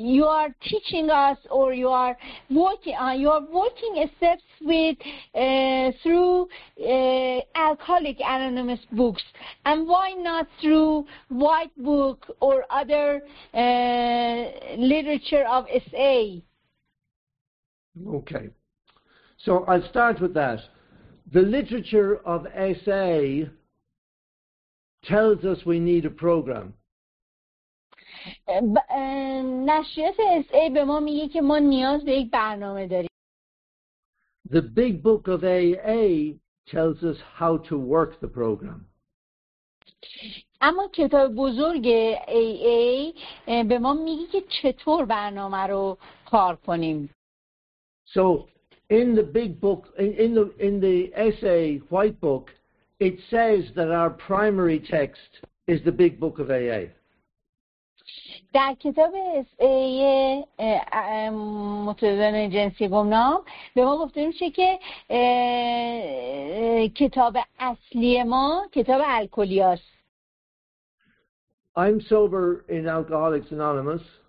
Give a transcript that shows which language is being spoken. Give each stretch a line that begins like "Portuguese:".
English: are teaching us, or you are working steps with through Alcoholic Anonymous books, and why not through White Book or other literature of SA? Okay, so I'll start with that. The literature of SA tells us we need a program.
Persian: نشریات SA به ما میگه که ما نیاز به یک برنامه داریم.
English: The big book of AA tells us how to work the program.
Persian: اما کتاب بزرگ AA به ما میگه که چطور برنامه رو کار کنیم.
English: So in the big book, in the SA white book, it says that our primary text is the big book of AA.
Persian: در کتاب SA متدن جنسی گمنام به ما گفته میشه که کتاب اصلی ما کتاب الکلی است.
English: I'm sober in Alcoholics Anonymous.